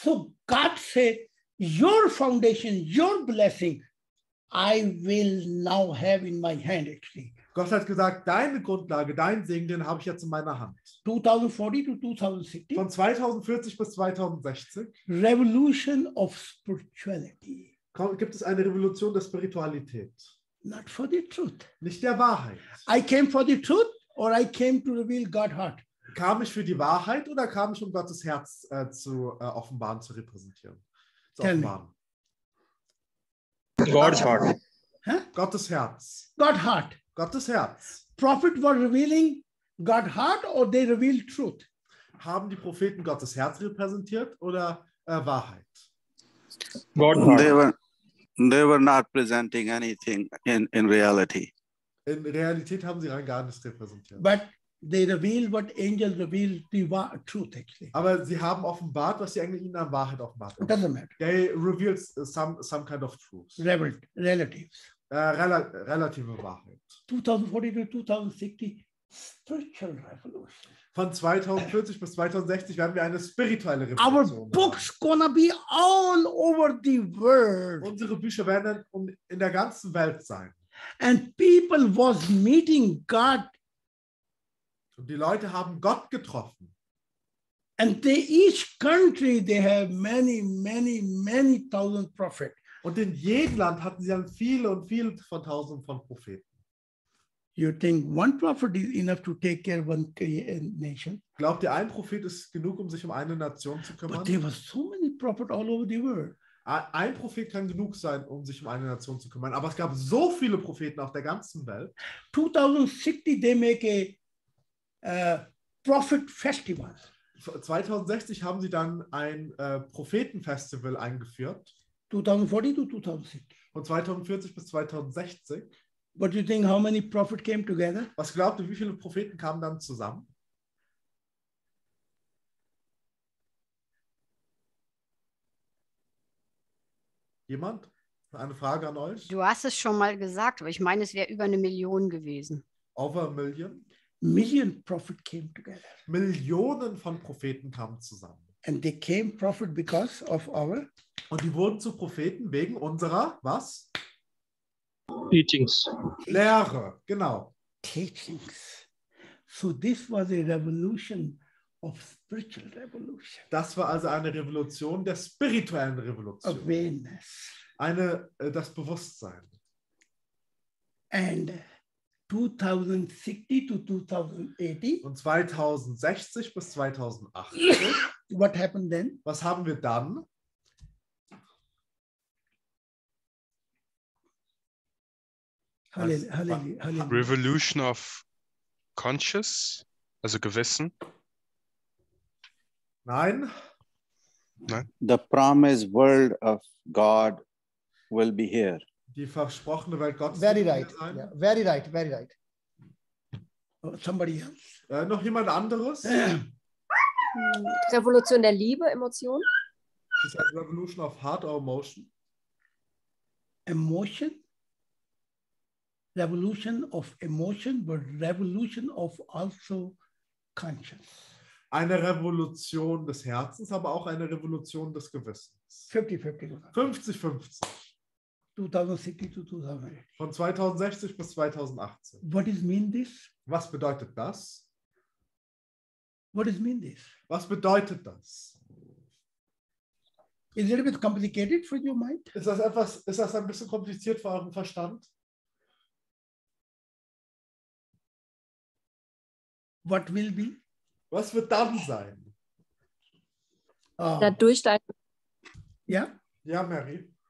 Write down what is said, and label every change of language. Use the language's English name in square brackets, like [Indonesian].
[English] So God said, your foundation, your blessing, I will now have in my hand actually. [German] Gott hat gesagt, deine Grundlage, dein Segen, den habe ich jetzt in meiner Hand. [English] 2040 to 2060. [German] Von 2040 bis 2060. [English] Revolution of spirituality. [German] Gibt es eine Revolution der Spiritualität? [English] Not for the truth. [German] Nicht der Wahrheit. [English] I came for the truth or I came to reveal God's heart. [German] Kam ich für die Wahrheit oder kam ich, um Gottes Herz offenbaren, zu repräsentieren? Zu [English] Tell [German] offenbaren. [English] Me. God's heart. [German] Huh? Gottes Herz. [English] God heart. [German] Gottes Herz. [English] Prophet were revealing God heart or they revealed truth? [German] Haben die Propheten Gottes Herz repräsentiert oder Wahrheit? [English] God heart. They were not presenting anything in reality. [German] In Realität haben sie rein gar nichts repräsentiert. [English] But they revealed what angels revealed the truth actually. [German] Aber sie haben offenbart, was die Engel ihnen an Wahrheit offenbart haben. [English] It doesn't matter. They revealed some kind of truth. Relatives. [German] Relative Wahrheit. [English] 2040 to 2060, spiritual revolution. [German] Von 2040 bis 2060 werden wir eine spirituelle Revolution [English] Our books [German] haben. [English] Gonna be all over the world. [German] Unsere Bücher werden in der ganzen Welt sein. [English] And people was meeting God. [German] Und die Leute haben Gott getroffen. [English] And they each country they have many, many, many thousand prophets. [German] Und in jedem Land hatten sie dann viele und viele von Tausenden von Propheten. [English] You think one prophet is enough to take care of one nation? [German] Glaubt ihr, ein Prophet ist genug, um sich um eine Nation zu kümmern? [English] But there were so many prophets all over the world. [German] Ein Prophet kann genug sein, um sich um eine Nation zu kümmern. Aber es gab so viele Propheten auf der ganzen Welt. [English] 2060, they make a prophet festival. [German] 2060 haben sie dann ein Prophetenfestival eingeführt. [English] 2040 to 2060. [German] Von 2040 bis 2060. [English] What do you think, how many prophets came together? [German] Was glaubt ihr, wie viele Propheten kamen dann zusammen? Jemand? Eine Frage an euch? Du hast es schon mal gesagt, aber ich meine, es wäre über 1 Million gewesen. [English] Over a million? Million prophet came together. [German] Millionen von Propheten kamen zusammen. [English] And they came prophet because of our? [German] Und die wurden zu Propheten wegen unserer, was? [English] Teachings. [German] Lehre, genau. [English] Teachings. So this was a revolution of spiritual revolution. [German] Das war also eine Revolution der spirituellen Revolution. [English] Awareness. [German] Eine, das Bewusstsein. [English] And 2060 to 2080. [German] Und 2060 bis 2080. [English] What happened then? [German] Was haben wir dann? [English] Halleluja. Revolution of conscious, [German] also Gewissen. Nein. Nein. [English] The promised world of God will be here. [German] Die versprochene Welt Gottes. [English] Very right. Yeah. Very right. Very right. Somebody else. [German] Noch jemand anderes? Revolution der Liebe, Emotion. [English] Is that revolution of heart or emotion? Emotion. Revolution of emotion, but revolution of also conscience. [German] Eine Revolution des Herzens, aber auch eine Revolution des Gewissens. [English] 50-50. 2060-2080. [German] Von 2060 bis 2018. [English] What does mean this? [German] Was bedeutet das? [English] What does mean this? [German] Was bedeutet das? [English] Is it a bit complicated for your mind? [German] Ist das etwas, ist das ein bisschen kompliziert für euren Verstand? [English] What will be? [German] Was wird dann sein? Ja, durch deine. Ja? Ja, Mary.